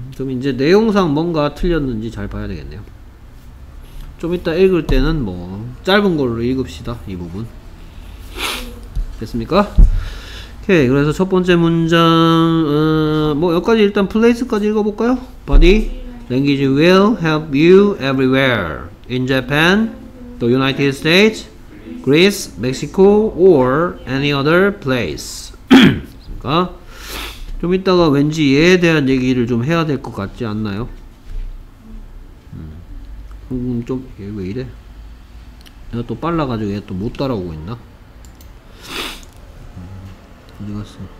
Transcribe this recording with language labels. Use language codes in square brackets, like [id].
[ko] 좀 이제 내용상 뭔가 틀렸는지 잘 봐야 되겠네요. 좀 이따 읽을 때는 뭐 짧은 걸로 읽읍시다. 이 부분 됐습니까? 오케이. 그래서 첫 번째 문장 뭐 여기까지 일단 place까지 읽어볼까요? [en] Body language will help you everywhere in Japan, the United States, Greece, Mexico, or any other place. [ko] 됐습니까? 좀 이따가 왠지 얘에 대한 얘기를 좀 해야 될 것 같지 않나요? 좀 얘 왜 이래? 내가 또 빨라가지고 얘 또 못 따라오고 있나? 어디 갔어?